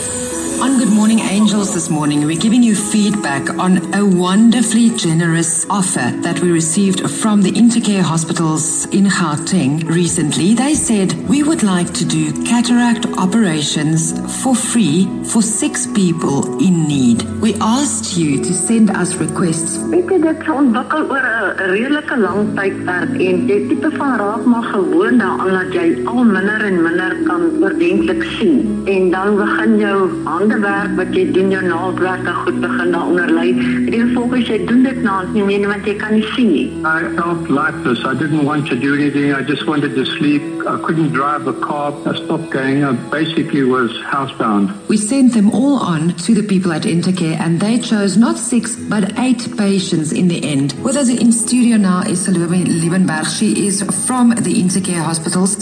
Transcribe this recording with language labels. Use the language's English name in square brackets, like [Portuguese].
[English] On Good Morning Angels this morning, we're giving you feedback on a wonderfully generous offer that we received from the Intercare Hospitals in Gauteng recently. They said, we would like to do cataract operations for free for 6 people in need. We asked you to send us requests. [Afrikaans] Ek het dit ontwikkel oor 'n redelike lang tydperk en dit tipe van raak maar gewoon nou aan dat jy al minder en minder kan oordentlik sien. En dan begin jou handewerk wat jy doen, jou naaldwerk en goed begin daaronder lei. En die gevolg is, jy doen dit naast nie meer, want jy kan nie sien nie. [English] I felt lifeless. I didn't want to do anything. I just wanted to sleep. I couldn't drive a car. I stopped going. I basically was housebound. We sent them all on to the people at Intercare, and they chose not 6, but 8 patients in the end. With us in studio now is Salome Liebenberg. She is from the Intercare Hospitals.